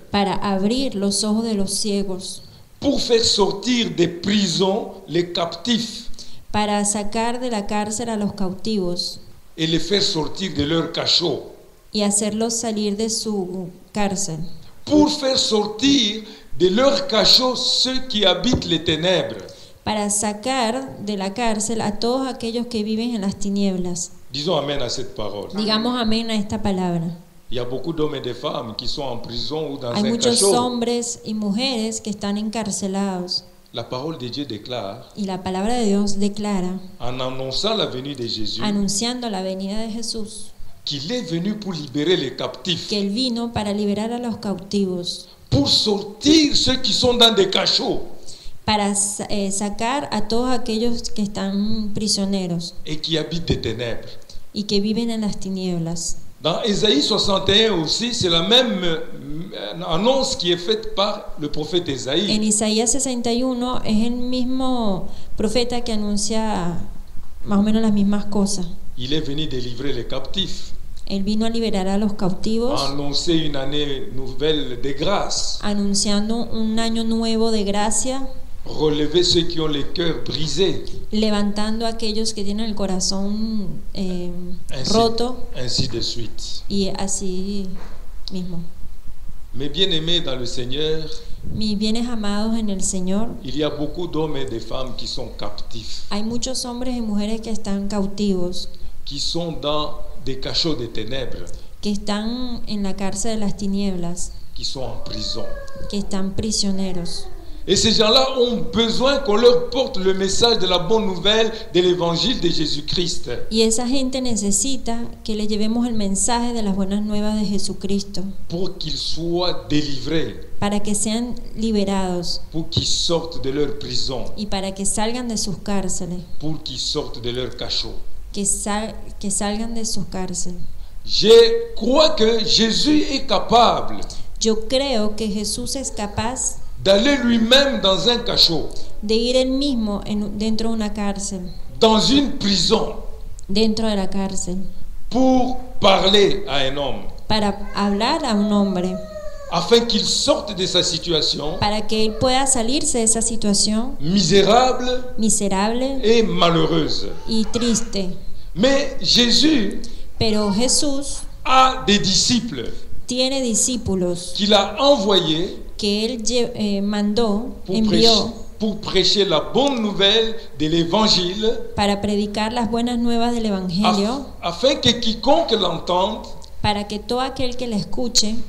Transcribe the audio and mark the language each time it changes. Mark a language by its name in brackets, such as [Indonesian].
[Spanish] Para abrir los ojos de los ciegos. [French] Pour faire sortir des prisons les captifs. [Spanish] Para sacar de la cárcel a los cautivos. [French] Et les faire sortir de leur cachot. [Spanish] Y hacerlos salir de su cárcel. [French] Pour faire sortir de leur cachot ceux qui habitent les ténèbres. [Spanish] Para sacar de la cárcel a todos aquellos que viven en las tinieblas. [French] Disons amén a cette parole. [Spanish] Digamos amén a esta palabra. [French] Il y a beaucoup d'hommes et de femmes qui sont en prison ou dans un cachot. [Spanish] Hay muchos hombres y mujeres que están encarcelados. [French] La parole de Dieu déclare. [Spanish] Y la palabra de Dios declara. [French] En annonçant la venue de Jésus. [Spanish] Anunciando la venida de Jesús. [French] Qu'il est venu pour libérer les captifs. [Spanish] Que él vino para liberar a los cautivos. [French] Pour sortir ceux qui sont dans des cachots. [Spanish] Para sacar a todos aquellos que están prisioneros. [French] Et qui habitent des ténèbres. [Spanish] Y que viven en las tinieblas. [French] Dans Isaïe 61 aussi, c'est la même annonce qui est faite par le prophète Isaïe. [Spanish] En Isaías 61 es el mismo profeta que anuncia más o menos las mismas cosas. [French] Il est venu délivrer les captifs. [Spanish] Él vino a liberar a los cautivos. [French] Annoncer une année nouvelle de grâce. [Spanish] Anunciando un año nuevo de gracia. [French] Relever ceux qui ont les cœurs brisés. [Spanish] Levantando a aquellos que tienen el corazón ainsi, roto. [French] Ainsi de suite. [Spanish] Y así mismo. [French] Mes bien-aimés dans le Seigneur. [Spanish] Mis bienes amados en el Señor. [French] Il y a beaucoup d'hommes et de femmes qui sont captifs. [Spanish] Hay muchos hombres y mujeres que están cautivos. [French] Qui sont dans des cachots de ténèbres. [Spanish] Que están en la cárcel de las tinieblas. [French] Qui sont en prison. [Spanish] Que están prisioneros. [French] Et ces gens-là ont besoin qu'on leur porte le message de la bonne nouvelle de l'évangile de Jésus-Christ. [Spanish] Y esa gente necesita que le llevemos el mensaje de las buenas nuevas de Jesucristo. [French] Pour qu'ils soient délivrés. [Spanish] Para que sean liberados. [French] Pour qu'ils sortent de leur prison. [Spanish] Y para que salgan de sus cárceles. [French] Pour qu'ils sortent de leur cachot. [Spanish] Que salgan de sus cárceles. [French] Je crois que Jésus est capable. [Spanish] Yo creo que Jesús es capaz. [French] d'aller lui-même dans un cachot. [Spanish] De ir él mismo en, dentro de una cárcel. [French] Dans une prison. [Spanish] Dentro de la cárcel. [French] Pour parler à un homme. [Spanish] Para hablar a un hombre. [French] Afin qu'il sorte de sa situation. [Spanish] Para que él pueda salirse de esa situación. [French] Misérable. [Spanish] Miserable. [French] Et malheureuse. [Spanish] Y triste. [French] Mais Jésus. [Spanish] Pero Jesús. [French] A des disciples. [Spanish] Tiene discípulos. [French] Qu'il a envoyé. [Spanish] Que él mandó. [French] Pour [Spanish] envió. [French] Pour prêcher la bonne nouvelle de l'évangile. [Spanish] Para predicar las buenas nuevas del evangelio. [French] Afin que quiconque l'entende. [Spanish] Para que todo aquel que la escuche